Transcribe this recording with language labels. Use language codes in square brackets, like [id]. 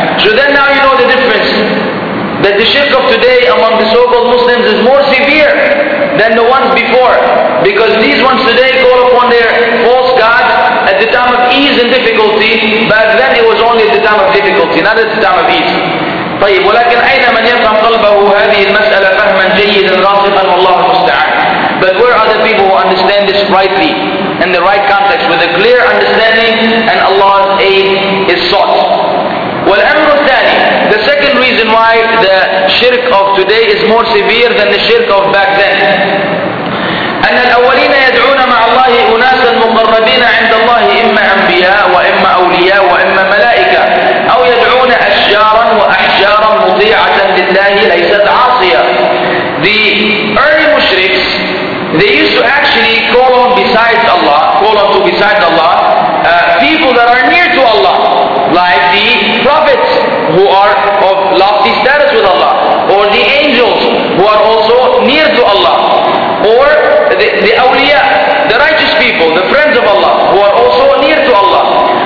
[en] So then now you know the difference. That the shirk of today among the so-called Muslims is more severe than the ones before. Because these ones today call upon their false gods at the time of ease and difficulty. Back then it was only at the time of difficulty, not at the time of ease. [ar] طيب ولكن أين من يفهم قلبه هذه المسألة فهما جيدا راسخا والله المستعان. [en] But where are the people who understand this rightly, in the right context, with a clear understanding, and Allah's aid is sought. [ar] والأمر الثاني, [en] the second reason why the shirk of today is more severe than the shirk of back then. [ar] أن الأولين يدعون مع الله أناسا مقربين عند الله إما أنبياء وإما أولياء وإما ملائكة أو يدعون أشجارا وأحجارا مطيعة لله ليست عاصية. [en] The early mushriks, they used to actually call on besides Allah, call on to besides Allah, people that are near to Allah, like the prophets who are of lofty status with Allah, or the angels who are also near to Allah, or the awliya, the righteous people, the friends of Allah, who are also near to Allah.